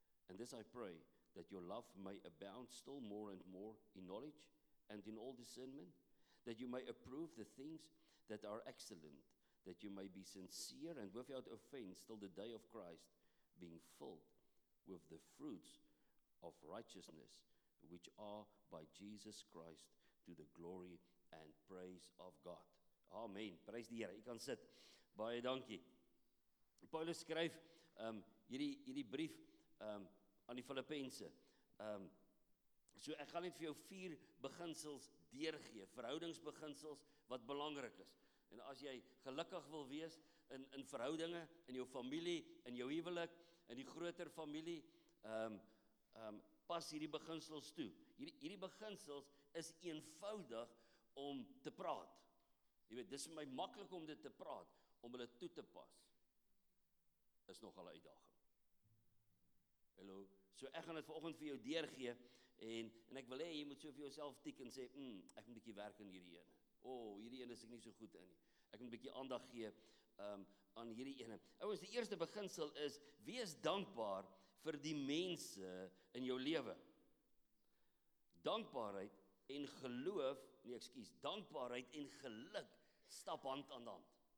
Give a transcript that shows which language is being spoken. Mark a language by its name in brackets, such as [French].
[English] And this I pray, that your love may abound still more and more in knowledge and in all discernment, that you may approve the things that are excellent, that you may be sincere and without offense till the day of Christ, being filled with the fruits of righteousness, which are by Jesus Christ to the glory and praise of God. [Afrikaans] Amen. Prys die Here. Jy kan sit. Baie dankie. Paulus skryf hierdie brief aan die Filippense. So ek gaan net vir jou vier beginsels deurgee, verhoudingsbeginsels wat belangrik is. En as jy gelukkig wil wees in verhoudinge, in jou familie, in jou huwelik, in die groter familie, pas hierdie beginsels toe. Hierdie beginsels is eenvoudig om te praat. Jy weet, dis vir my maklik om dit te praat, om hulle toe te pas, is nogal 'n uitdaging. Hallo, so ek gaan dit vanoggend vir jou deurgee, en ek wil hê jy moet so vir jouself tik en sê, ek moet 'n bietjie werk aan hierdie ene. Hierdie ene is ek nie so goed in nie. Ek moet 'n bietjie aandag gee aan hierdie ene. Ouens, die eerste beginsel is, wees dankbaar vir die mense in jou lewe. Dankbaarheid en geloof, dankbaarheid en geluk stap hand aan hand.